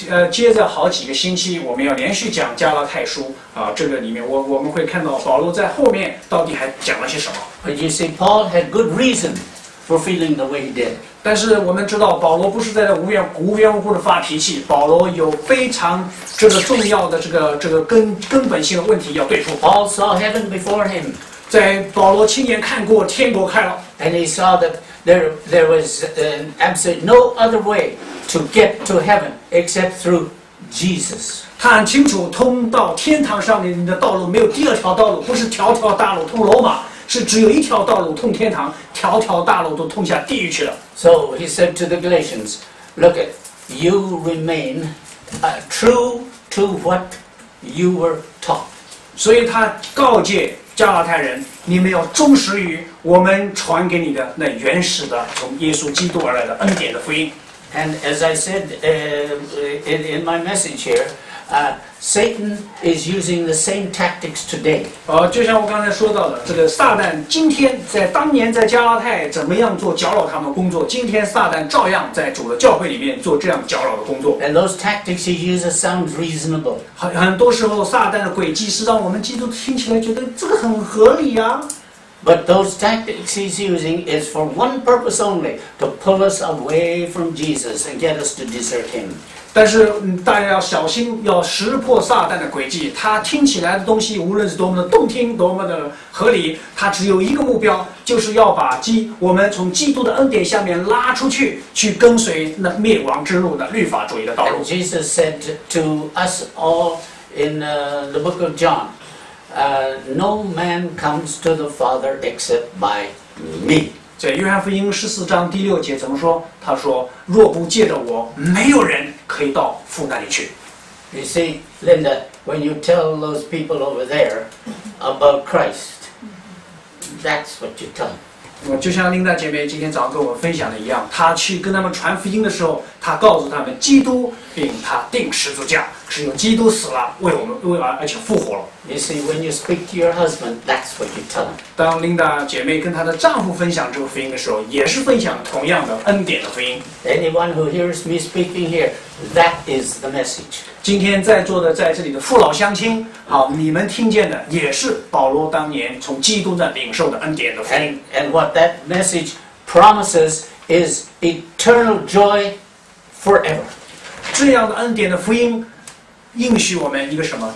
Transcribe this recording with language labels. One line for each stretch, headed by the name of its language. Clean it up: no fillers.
Chinese: 接着好几个星期，我们要连续讲加拉太书这个里面我们会看到保罗在后面到底还讲了些什么。
English: But you see, Paul had good reason for feeling the way he did.
Chinese: 但是我们知道保罗不是在无缘无故的发脾气，保罗有非常这个重要的这个根本性的问题要对付。
English: Paul saw heaven before him.
Chinese: 在保罗亲眼看过天国开了。
English: And he saw that there was absolutely no other way to get to heaven except through Jesus.
Chinese: 他很清楚通到天堂上面的道路没有第二条道路，不是条条大路通罗马。是只有一条道路通天堂，条条大路都通下地狱去了。
English: So he said to the Galatians, "Look, you remain true to what you were taught."
Chinese: 所以他告诫加拉太人，你们要忠实于我们传给你的那原始的从耶稣基督而来的恩典的福音。
English: And as I said in my message here. Satan is using the same tactics today.
Chinese: 就像我刚才说到的，这个撒旦今天在当年在加拉太怎么样做搅扰他们工作，今天撒旦照样在主的教会里面做这样搅扰的工作。
English: And those tactics he uses sound reasonable.
Chinese: 很多时候撒旦的诡计是让我们基督听起来觉得这个很合理啊。
English: But those tactics he's using is for one purpose only, to pull us away from Jesus and get us to desert him.
Chinese: 但是大家要小心，要识破撒旦的诡计。他听起来的东西，无论是多么的动听，多么的合理，他只有一个目标，就是要把我们从基督的恩典下面拉出去，去跟随那灭亡之路的律法主义的道路。
English: And Jesus said to us all in the book of John, "No man comes to the Father except by me."
Chinese: 在约翰福音十四章第六节怎么说？他说：“若不借着我，没有人可以到父那里去。”
English: You see, Linda, when you tell those people over there about Christ, that's what you tell them.
Chinese: 就像Linda姐妹今天早上跟我分享的一样，她去跟他们传福音的时候，她告诉他们基督，并他钉十字架，只有基督死了，为我们，为了，而且复活了。
English: You see, when you speak to your husband, that's what you tell him.
Chinese: 当 Linda 姐妹跟她的丈夫分享这个福音的时候，也是分享同样的恩典的福音。
English: Anyone who hears me speaking here, that is the message.
Chinese: 今天在座的在这里的父老乡亲，好，你们听见的也是保罗当年从基督那领受的恩典的福音。
English: And what that message promises is eternal joy forever.
Chinese: 这样的恩典的福音。应许我们一个什么？